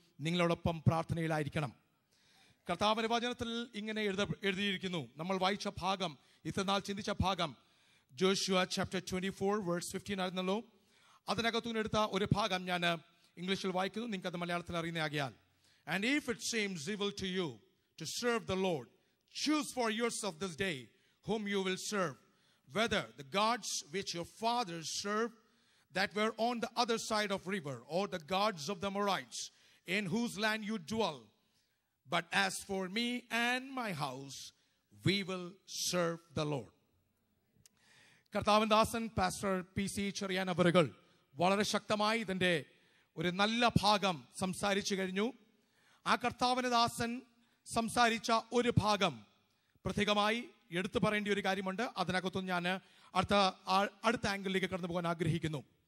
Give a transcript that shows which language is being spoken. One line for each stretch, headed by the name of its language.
Malayalam: നിങ്ങളോടൊപ്പം പ്രാർത്ഥനയിലായിരിക്കണം. കർത്താവിന്റെ വചനത്തിൽ ഇങ്ങനെ എഴുതിയിരിക്കുന്നു. നമ്മൾ വായിച്ച ഭാഗം, ഇത്രനാൾ ചിന്തിച്ച ഭാഗം, ജോഷുവ ചാപ്റ്റർ 24:15 ആയിരുന്നല്ലോ. അതിനകത്തു നിന്ന് എടുത്ത ഒരു ഭാഗം ഞാൻ ഇംഗ്ലീഷിൽ വായിക്കുന്നു, നിങ്ങൾക്കത് മലയാളത്തിൽ അറിയുന്നതാകിയാൽ.
English: And if it seems evil to you to serve the Lord, choose for yourself this day whom you will serve, whether the gods which your fathers served that were on the other side of river, or the gods of the Amorites in whose land you dwell. But as for me and my house, we will serve the Lord.
Malayalam: കർത്താവിൻ്റെ ദാസൻ pastor P C Cherian അവരുകൾ വളരെ ശക്തമായി ഇതിൻ്റെ ഒരു നല്ല ഭാഗം സംസാരിച്ചു കഴിഞ്ഞു. ആ കർത്താവിൻ്റെ ദാസൻ സംസാരിച്ച ഒരു ഭാഗം പ്രത്യേകമായി എടുത്തു പറയേണ്ട ഒരു കാര്യമുണ്ട്. അതിനകത്തു ഞാൻ അടുത്ത ആംഗിളിലേക്ക് കടന്നു പോകാൻ ആഗ്രഹിക്കുന്നു.